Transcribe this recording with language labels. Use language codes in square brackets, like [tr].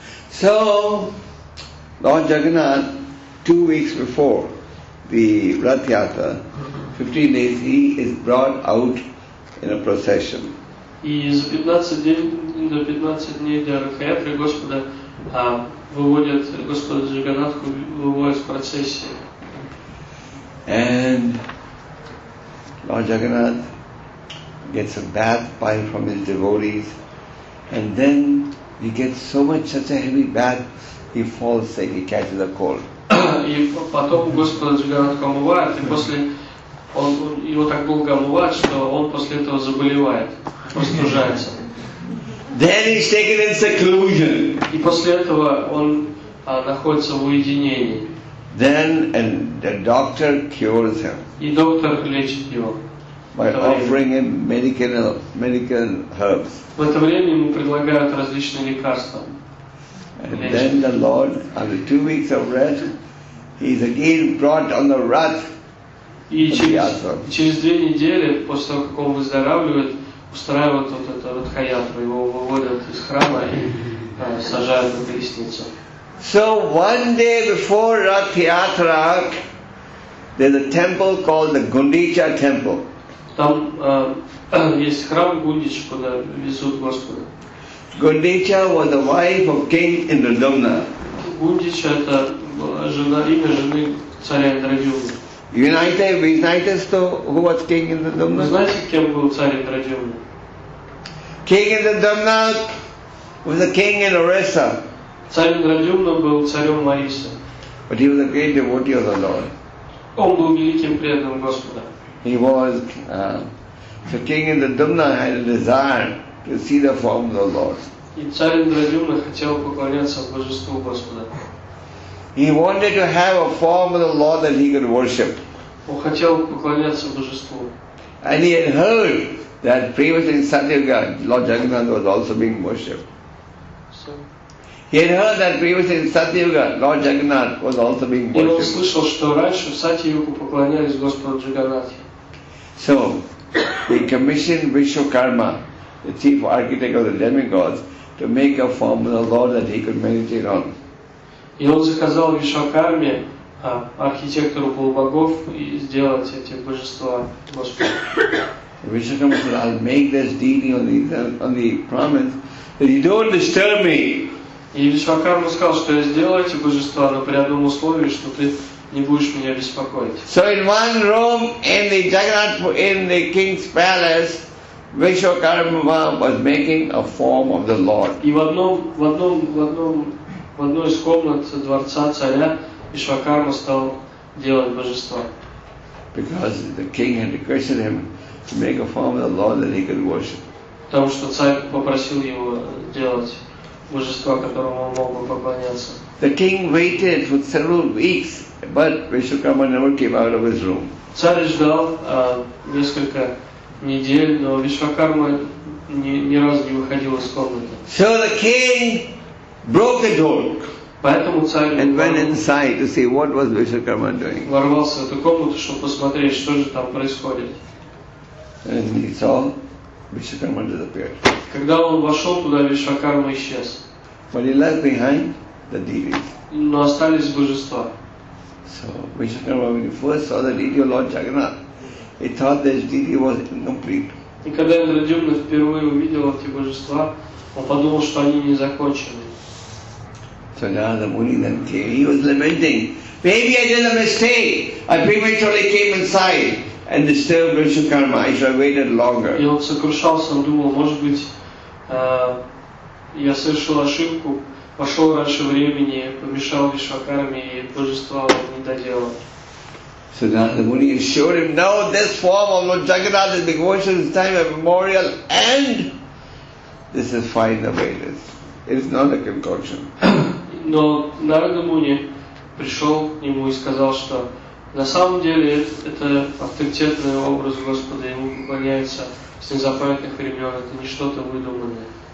[en] So, Lord Jagannath, 2 weeks before the Ratyatra, 15 days, he is brought out in a procession. [ru] И за 15 дней до Ратхаятры Господа выводят Господа Джаганнатху, выводят в процессии. [en] And Lord Jagannath gets a bath by from his devotees, and then he gets so much such a heavy bath he falls sick, he catches a cold. [ru] И потом Господа Джаганнатху омывают, и после он его так долго омывает, что он после этого заболевает. Простужается. [en] Then he's taken in seclusion. [ru] И после этого он находится в уединении. [en] Then and the doctor cures him. [ru] И доктор лечит его. [en] By offering him medical herbs. [ru] В это время ему предлагают различные лекарства. [en] And then the Lord, after 2 weeks of rest, he's again brought on the rath. [ru] И через 2 недели после того, как он выздоравливает, устраивают вот это радхаятру, его выводят из храма и сажают на колесницу. [en] So one day before Rathyatra, there's a temple called the Gundicha temple. [ru] Там есть храм Гундича, куда везут Господа. [en] Gundicha was the wife of King Indradumna. [ru] Gundicha это жена, имя жены царя Индрадюмны. [en] United, so who was King Indradumna? [ru] Знаете, кем был царь Индрадюмна? [en] King Indradumna was a king in Orissa. [ru] Царь Индрадюмна был царем Ориссы. [en] But he was a great devotee of the Lord. [ru] Он был великим преданным Господа. [en] He was so King Indradumna had a desire to see the form of the Lord. [ru] И царь Индрадюмна хотел поклоняться божеству Господа. [en] He wanted to have a form of the Lord that he could worship. [ru] Он хотел поклоняться божеству. [en] And he had heard that previously in Satyuga, Lord Jagannath was also being worshipped. He had heard that previously in Satyuga, Lord Jagannath was also being worshipped. [ru] И он слышал, что раньше в Сатьюгу поклонялись Господу Джаганнате. [en] So he commissioned Vishwakarma, the chief architect of the demigods, to make a form of the Lord that he could meditate on. [ru] И он заказал Вишвакарме, архитектору полубогов, и сделать эти божества Господа. [en] Вишвакарма said, I'll make this deity on the promise that you don't disturb me. [ru] И Вишвакарма сказал, что я сделаю эти божества, но при одном условии, что ты не будешь меня беспокоить. [en] So in one room in the Jagannath, in the king's palace, Vishwakarma was making a form of the Lord. [ru] И в одной из комнат дворца царя Вишвакарма стал делать божество. [en] Because the king had requested him to make a form of the Lord that he could worship. [ru] Потому что царь попросил его делать божество, которому он мог бы поклоняться. [en] The king waited for several weeks, but Vishwakarma never came out of his room. [ru] Царь ждал несколько недель, но Вишвакарма ни разу не выходил из комнаты. [en] So the king broke the door and went inside to see what was Vishwakarma doing. [ru] Ворвался в эту комнату, чтобы посмотреть, что же там происходит. [en] And he saw Vishwakarma disappear. [ru] Когда он вошел туда, Вишвакарма исчез. [en] But he left behind the deities. [ru] Но остались божества. [en] So Vishwakarma, when he first saw the deity of Lord Jagannath, he thought this deity was incomplete. [ru] И когда Индрадюмна впервые увидел эти божества, он подумал, что они не закончены. [en] So now the Muni then came. He was lamenting. Maybe I did a mistake. I prematurely came inside and disturbed Vishwakarma. I should have waited longer. [ru] И он сокрушался, он думал, может быть, я совершил ошибку, пошел раньше времени, помешал Вишвакарме и божества не доделал. [en] So now the Muni assured him, no, this form of Lord Jagannath is being worshipped in time of memorial, and this is fine the way it is. It is not a concoction. [ru] Но Нарада Муни пришел к нему и сказал, что на самом деле это авторитетный образ Господа, ему поклоняется с незапамятных времен, это не что-то выдуманное.